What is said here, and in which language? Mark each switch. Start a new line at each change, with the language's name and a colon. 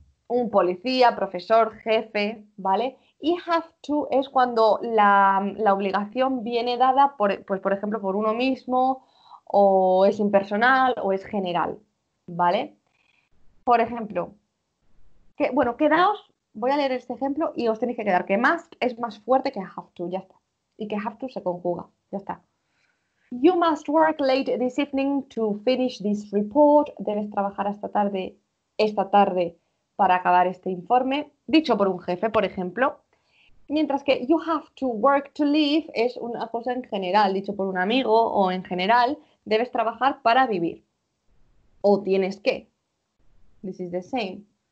Spanish: un policía, profesor, jefe, ¿vale? Y have to es cuando la obligación viene dada, por ejemplo, por uno mismo, o es impersonal, o es general, ¿vale? Por ejemplo, quedaos, voy a leer este ejemplo y os tenéis que quedar, que must es más fuerte que have to, ya está. Y que have to se conjuga, ya está.
English: You must work late this evening to finish this report.
Spanish: Debes trabajar esta tarde para acabar este informe, dicho por un jefe, por ejemplo. Mientras que
English: you have to work to live
Spanish: es una cosa en general, dicho por un amigo o en general, debes trabajar para vivir. O tienes que.
English: This is the same.